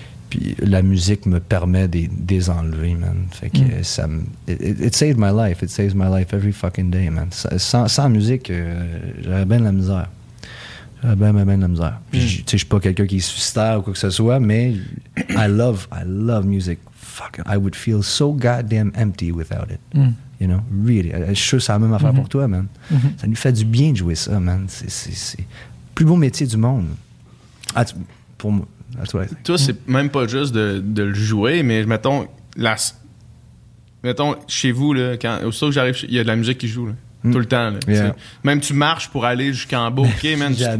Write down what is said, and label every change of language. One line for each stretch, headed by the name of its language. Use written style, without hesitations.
French: puis la musique me permet de les enlever, man. Fait que ça me...
English: It saved my life. It saves my life every fucking day, man.
French: Sans musique, j'aurais bien de la misère. J'aurais bien de la misère. Puis, tu sais, je suis pas quelqu'un qui est suicidaire ou quoi que ce soit, mais
English: I love music. Fucking, I would feel so goddamn empty without it. You know, really.
French: Je suis sûr que c'est la même affaire pour toi, man. Ça nous fait du bien de jouer ça, man. C'est le plus beau métier du monde. Pour moi. Toi, c'est même pas juste de le jouer, mais mettons, mettons chez vous, là, aussitôt que j'arrive, il y a de la musique qui joue là, tout le temps. Là, même tu marches pour aller jusqu'en bas, ok, man.